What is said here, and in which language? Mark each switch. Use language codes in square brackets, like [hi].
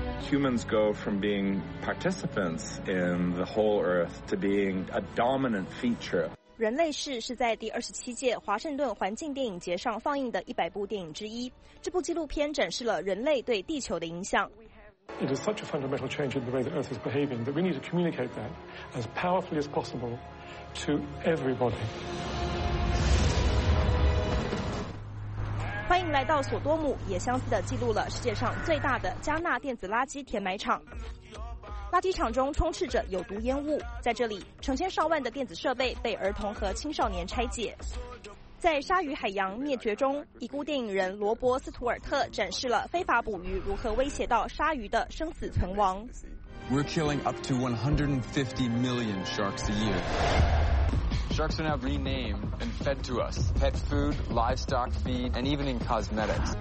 [en] Humans go from being participants in the whole earth to being a dominant feature. [zh] 人类世是在第27届华盛顿环境电影节上放映的100部电影之一。这部纪录片展示了人类对地球的影响。 [en] It is such a fundamental change in the way the Earth is behaving that we need to communicate that as powerfully as possible to everybody. [zh] 欢迎来到索多姆，也相似地记录了世界上最大的加纳电子垃圾填埋场。垃圾场中充斥着有毒烟雾，在这里成千上万的电子设备被儿童和青少年拆解。在鲨鱼海洋灭绝中，已故电影人罗伯斯图尔特展示了非法捕鱼如何威胁到鲨鱼的生死存亡。 [en] We're killing up to 150 million sharks a year. Sharks are now renamed and fed to us. Pet food, livestock feed, and even in cosmetics.